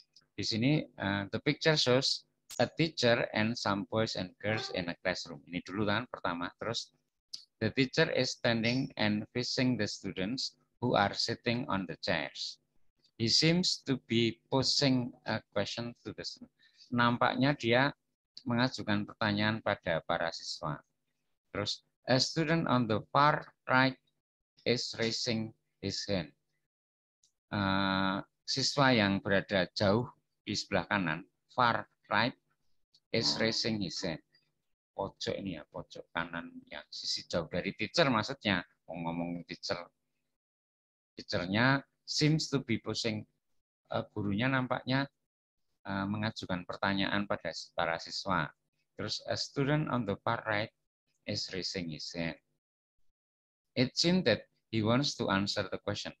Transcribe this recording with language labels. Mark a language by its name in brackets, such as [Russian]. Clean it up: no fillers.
[English] Di sini, the picture shows a teacher and some boys and girls in a classroom. [Indonesian] Ini dulu kan, pertama. Terus, [English] the teacher is standing and facing the students who are sitting on the chairs. He seems to be posing a question to the students. [Indonesian] Nampaknya dia mengajukan pertanyaan pada para siswa. [English] Terus, a student on the far right is raising his hand. [Indonesian] Siswa yang berada jauh di sebelah kanan, [English] far right, is raising his hand. [Indonesian] Pojok ini ya, pojok kanan yang sisi jauh dari teacher maksudnya. Ngomong teacher. Teachernya [English] seems to be posing. [Indonesian] Gurunya nampaknya mengajukan pertanyaan pada para siswa. [English] Terus a student on the far right is raising his hand. It seems that he wants to answer the question.